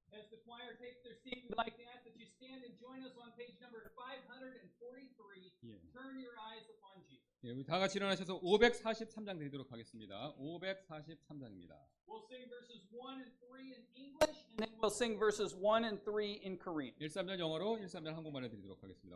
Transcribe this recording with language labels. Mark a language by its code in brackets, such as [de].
[en] the choir takes their seat, we'd like to ask that you stand and join us on page number 543. Yeah. Turn your eyes upon Jesus. [ko] 예, 우리 다 같이 일어나셔서 543장 되도록 하겠습니다. 543장입니다. [en] We'll sing verses 1 and 3 in English, and then we'll sing verses 1 and 3 in Korean. [ko] 13절 영어로, 13절 한국말로 드리도록 하겠습니다.